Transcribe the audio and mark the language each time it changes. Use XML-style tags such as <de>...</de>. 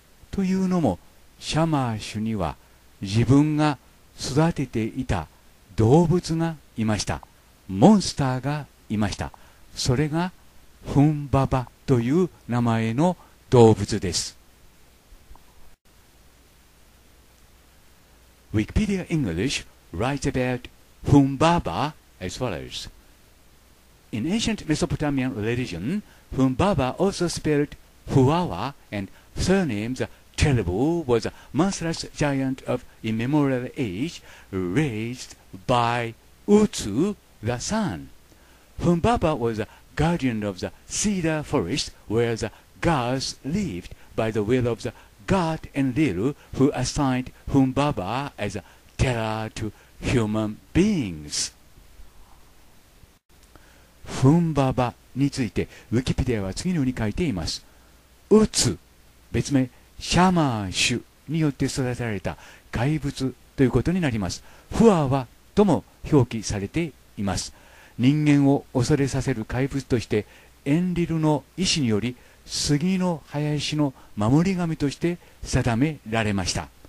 <ja>というのもシャマーシュには自分が育てていた動物がいました。モンスターがいました。それがフンババという名前の動物です。</ja> <en>Wikipedia English writes about フンババ as follows. In ancient Mesopotamian religion, フンババ also spelled フワワ and surnames Telebu was a monstrous giant of immemorial age raised by Utsu, the sun. Humbaba was the guardian of the cedar forest where the gods lived by the will of the god Enlilu, who assigned Humbaba as a terror to human beings.</en> <ja>Humbaba について Wikipedia は次のように書いています。 Utsu, 別名シャマーシュによって育てられた怪物ということになります。フワワとも表記されています。人間を恐れさせる怪物としてエンリルの意思により杉の林の守り神として定められました。</ja>